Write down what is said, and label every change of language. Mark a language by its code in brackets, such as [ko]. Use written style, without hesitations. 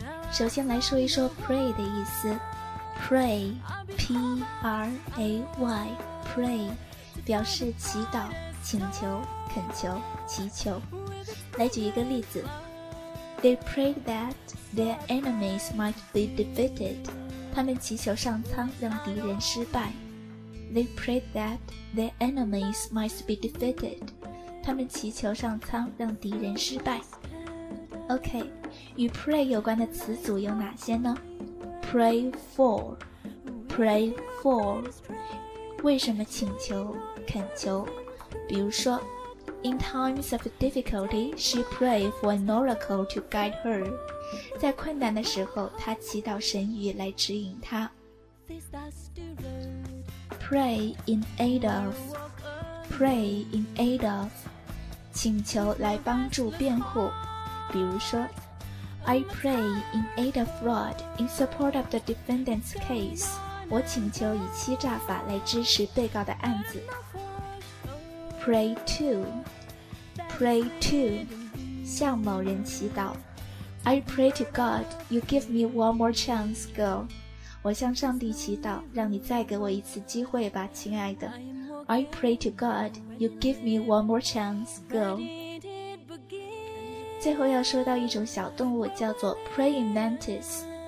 [zh] 首先来说一说 pray 的意思， pray P-R-A-Y pray 表示祈祷、请求、恳求、祈求。 [en] 来举一个例子， They prayed that their enemies might be defeated， [zh] 他们祈求上苍让敌人失败。 [en] They prayed that their enemies might be defeated， [zh] 他们祈求上苍让敌人失败。 OK， 与 pray 有关的词组有哪些呢？ [en] Pray for， pray for， [zh] 为什么请求、恳求。比如说 [en] In times of difficulty she prayed for an oracle to guide her， [zh] 在困难的时候她祈祷神谕来指引她。 [en] Pray in aid of, pray in aid of, [zh] 请求来帮助辩护。比如说 [en] I pray in aid of fraud in support of the defendant's case, [zh] 我请求以欺诈法来支持被告的案子。 [en] Pray to, pray to, [zh] 向某人祈祷。 [en] I pray to God you give me one more chance, girl. [zh] 我向上帝祈祷，让你再给我一次机会吧，亲爱的。 [en] I pray to God, you give me one more chance, girl. [zh] 最后要说到一种小动物，叫做 praying mantis.